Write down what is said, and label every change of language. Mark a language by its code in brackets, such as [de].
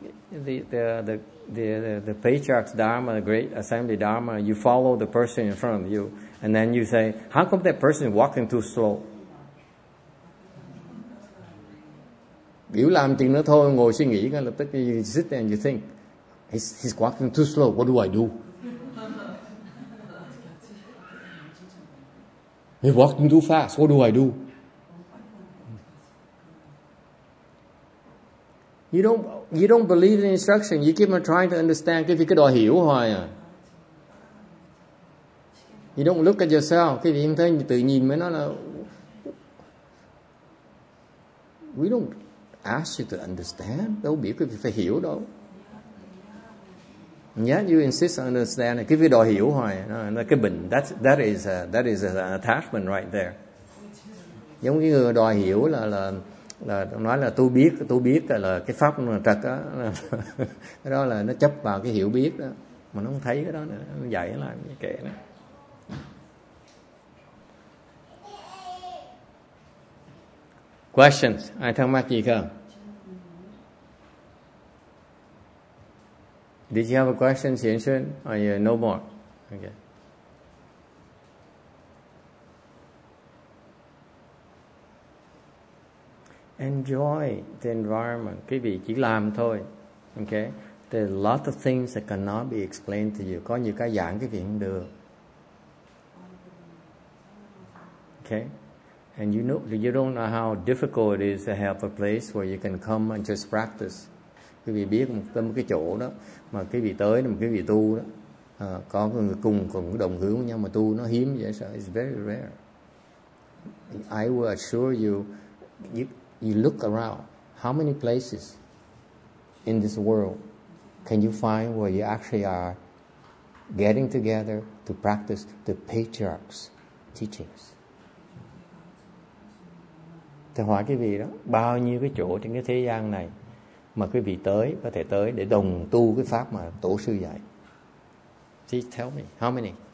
[en] The patriarch's dharma, the great assembly dharma, you follow the person in front of you, and then you say, how come that person is walking too slow? [vi] Biểu làm chuyện nữa thôi, ngồi suy nghĩ ngay lập tức. [en] You sit there and you think, he's walking too slow. What do I do? He's walking too fast. What do I do? You don't believe the instruction. You keep on trying to understand. [vi] Cái việc cái đòi hiểu hoài à. [en] You don't look at yourself. [vi] Quý vị thấy tự nhìn mới nói là [en] we don't ask you to understand. [vi] Đâu biết quý vị phải hiểu đâu. [en] Yet you insist on understanding. [vi] Quý vị đòi hiểu hoài. Cái bệnh, [en] that is an attachment right there. [vi] Giống như người đòi hiểu là nói là tôi biết là cái pháp trật đó, cái đó là nó chấp vào cái hiểu biết đó, mà nó không thấy cái đó nữa, nó dạy nó làm như kệ nó. Questions? Ai thắc mắc gì không? [en] Did you have a question, Xuyên Xuyên? Or you no more? Okay. Enjoy the environment. [vi] Quý vị chỉ làm thôi. [en] Okay. There are a lot of things that cannot be explained to you. [vi] Có nhiều cái giảng quý vị không được. [en] Okay. And you know, you don't know how difficult it is to have a place where you can come and just practice. [vi] Quý vị biết một cái chỗ đó mà quý vị tới, mà quý vị tu đó. Có người cùng đồng hướng với nhau mà tu nó hiếm dễ sợ. [en] It's very rare. I will assure you, you look around, how many places in this world can you find where you actually are getting together to practice the patriarch's teachings? [vi] Thầy hỏi quý vị đó, bao nhiêu cái chỗ trên cái thế gian này mà quý vị tới, có thể tới để đồng tu cái pháp mà tổ sư dạy? [en] Please tell me, how many?